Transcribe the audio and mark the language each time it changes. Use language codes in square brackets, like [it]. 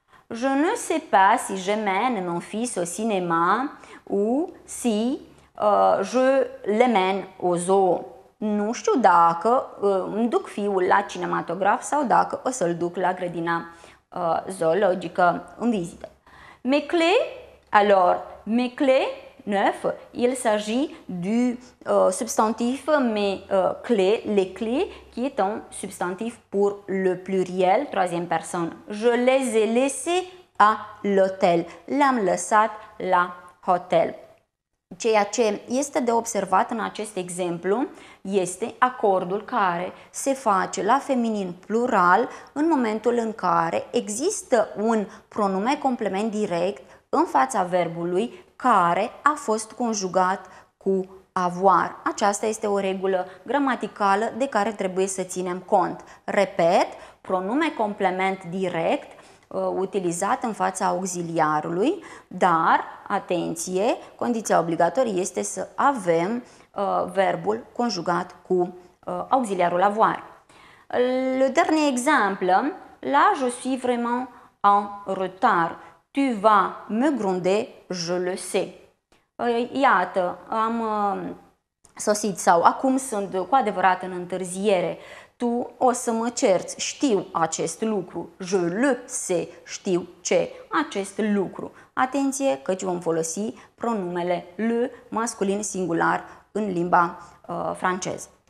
[fr] Je ne sais pas si je mène mon fils au cinéma ou si je le mène au zoo. [ro] Nu știu dacă îmi duc fiul la cinematograf sau dacă o să-l duc la grădina zoologică în vizită. [fr] Mes clés, alors, mes clés, neuf, il s'agit du substantif mes clés, les clés, qui est un substantif pour le pluriel, troisième personne. Je les ai laissés à l'hôtel. [ro] L'am lăsat la hotel. Ceea ce este de observat în acest exemplu este acordul care se face la feminin plural în momentul în care există un pronume complement direct în fața verbului care a fost conjugat cu avoir. Aceasta este o regulă gramaticală de care trebuie să ținem cont. Repet, pronume complement direct utilizat în fața auxiliarului, dar, atenție, condiția obligatorie este să avem verbul conjugat cu auxiliarul avoir. [fr] Le dernier exemple, là je suis vraiment en retard. Tu vas me gronder, je le sais. [ro] Iată, am sosit sau acum sunt cu adevărat în întârziere. Tu o să mă cerți, știu acest lucru, [fr] je le sais, [ro] știu ce, acest lucru. Atenție că ci vom folosi pronumele le masculin singular în limba franceză.